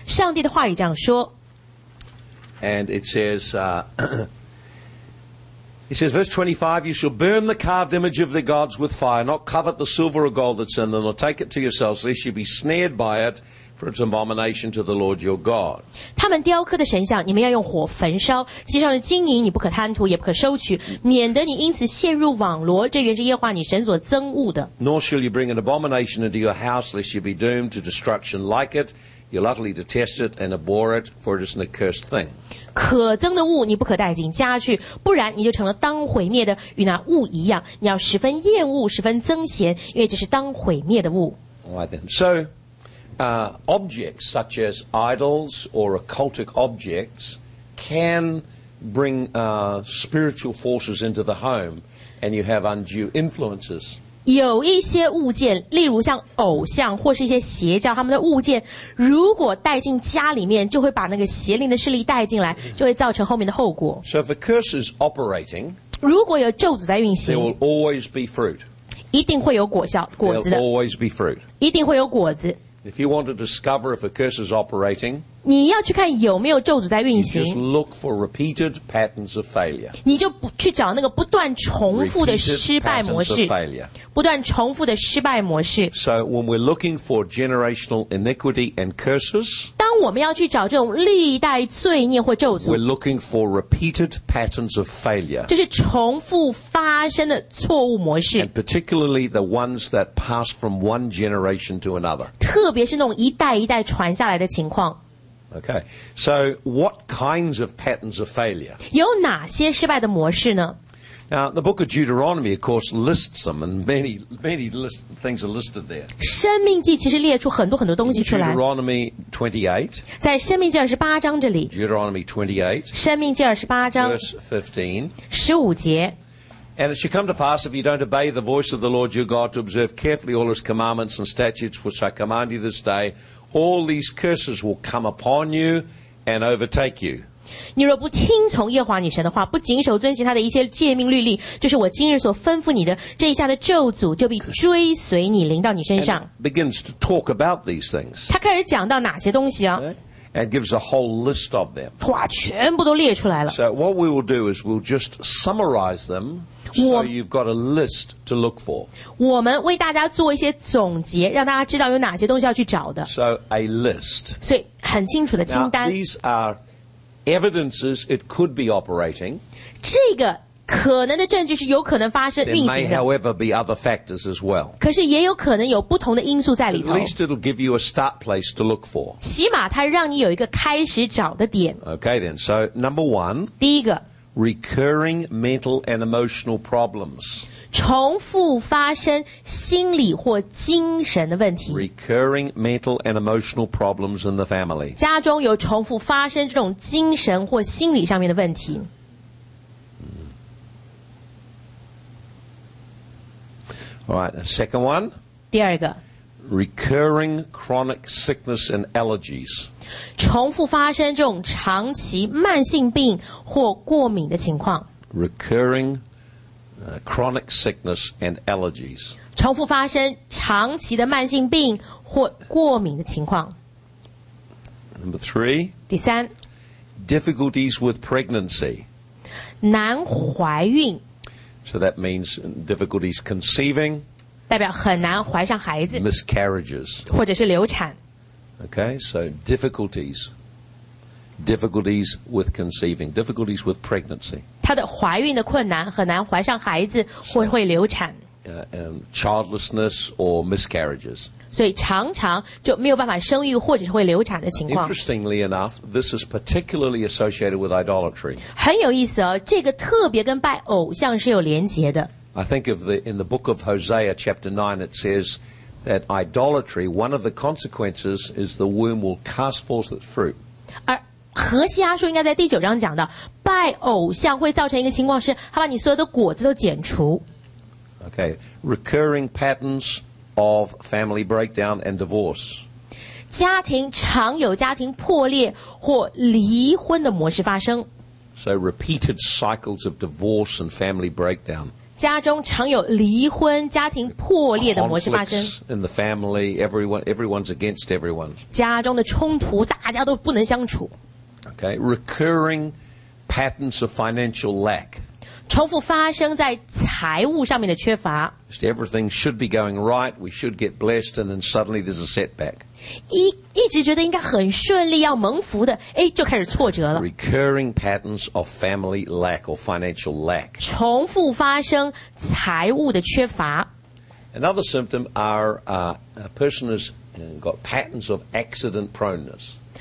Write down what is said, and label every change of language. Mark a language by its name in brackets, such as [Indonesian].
[Chinese] 上帝的话语这样说 [English] And it says, He says, verse 25, you shall burn the carved image of the gods with fire, not covet the silver or gold that's in them, nor take it to yourselves, lest you be snared by it, for it's an abomination to the Lord your God. [Chinese] 他们雕刻的神像，你们要用火焚烧，其上的金银你不可贪图，也不可收取，免得你因此陷入网罗，这原是耶和华你神所憎恶的。 [English] Nor shall you bring an abomination into your house, lest you be doomed to destruction like it, you'll utterly detest it and abhor it, for it is an accursed thing. [Chinese] 可憎的物你不可带进家去不然你就成了当毁灭的与那物一样你要十分厌恶十分憎嫌因为这是当毁灭的物 [English] Alright then. So objects such as idols or occultic objects can bring spiritual forces into the home and you have undue influences. [Chinese] 有一些物件，例如像偶像或是一些邪教，他们的物件如果带进家里面，就会把那个邪灵的势力带进来，就会造成后面的后果。 [English] So if a curse is operating, [Chinese] 如果有咒诅在运行 [English] ，there will always be fruit. [Chinese] 一定会有果效，果子的。 [English] There will always be fruit. [Chinese] 一定会有果子。 [English] If you want to discover if a curse is operating, [Chinese] 你要去看有没有咒诅在运行。 [English] You just look for repeated patterns of failure. [Chinese] 你就去找那个不断重复的失败模式。 [English] Repeated patterns of failure. [Chinese] 不断重复的失败模式。 [English] So when we're looking for generational iniquity and curses, [Chinese] 当我们要去找这种历代罪孽或咒诅。 [English] We're looking for repeated patterns of failure. [Chinese] 就是重复发生的错误模式。 [English] And particularly the ones that pass from one generation to another. [Chinese] 特别是那种一代一代传下来的情况。 [English] Okay, so what kinds of patterns of failure? [Chinese] 有哪些失败的模式呢？ [English] Now, the book of Deuteronomy, of course, lists them, and many list, things are listed there. [Chinese] 生命记其实列出很多很多东西出来。 [English] Deuteronomy 28. [Chinese] 在生命记二十八章这里。 [English] Deuteronomy 28. [Chinese] 生命记二十八章。 [English] Verse 15. [Chinese] 十五节。 [English] And it shall come to pass if you don't obey the voice of the Lord your God to observe carefully all his commandments and statutes which I command you this day, all these curses will come upon you and overtake you. [Chinese] 你若不听从耶和华你神的话，不谨守遵行他的一切诫命律例，就是我今日所吩咐你的，这一下的咒诅就必追随你，临到你身上。 [English] And it begins to talk about these things. [Chinese] 他开始讲到哪些东西啊？ [English] And gives a whole list of them. [Chinese] 哇，全部都列出来了。 [English] So what we will do is we'll just summarize them. So you've got a list to look for. [Chinese] 我们为大家做一些总结，让大家知道有哪些东西要去找的。 [English] So a list. [Chinese] 所以很清楚的清单。 [English] Now these are evidences it could be operating. [Chinese] 这个可能的证据是有可能发生运行的。 [English] There may, however, be other factors as well. [Chinese] 可是也有可能有不同的因素在里头。 [English] At least it'll give you a start place to look for. [Chinese] 起码它让你有一个开始找的点。 [English] Okay then. So number one. [Chinese] 第一个。 [English] Recurring mental and emotional problems. [Chinese] 重复发生心理或精神的问题。 [English] Recurring mental and emotional problems in the family. [Chinese] 家中有重复发生这种精神或心理上面的问题。 [English] All right, second one. [Chinese] 第二个。 [English] Recurring chronic sickness and allergies. [Chinese] 重复发生这种长期慢性病或过敏的情况。 [English] Recurring chronic sickness and allergies. [Chinese] 重复发生长期的慢性病或过敏的情况。 [English] Number three. [Chinese] 第三。 [English] Difficulties with pregnancy. [Chinese] 难怀孕。 [English] So that means difficulties conceiving. [Chinese] 代表很难怀上孩子 [English] miscarriages [Chinese] 或者是流产 [English] okay so difficulties with conceiving difficulties with pregnancy [Chinese] 她的怀孕的困难很难怀上孩子或会流产 [English] and childlessness or miscarriages [Chinese] 所以常常就没有办法生育或者是会流产的情况 [English] interestingly enough this is particularly associated with idolatry [Chinese] 很有意思哦这个特别跟拜偶像是有连结的 [English] I think of the, in the book of Hosea, chapter 9, it says that idolatry, one of the consequences is the womb will cast forth its fruit. [Chinese] 而何西阿书应该在第九章讲到，拜偶像会造成一个情况是，他把你所有的果子都剪除。 [English] Okay, recurring patterns of family breakdown and divorce. [Chinese] 家庭常有家庭破裂或离婚的模式发生。 [English] So repeated cycles of divorce and family breakdown. [Chinese] 家中常有离婚、家庭破裂的模式发生。 [English] Conflicts in the family, everyone's against everyone. [Chinese] 家中的冲突，大家都不能相处。 [English] Okay, recurring patterns of financial lack. [Chinese] 重复发生在财务上面的缺乏。 [English] Just everything should be going right, we should get blessed, and then suddenly there's a setback. [Chinese] 一直觉得应该很顺利要蒙福的诶就开始挫折了 [English] Recurring patterns of family lack or financial lack [Chinese] 重复发生财务的缺乏 [English] Another symptom are a person has got patterns of accident proneness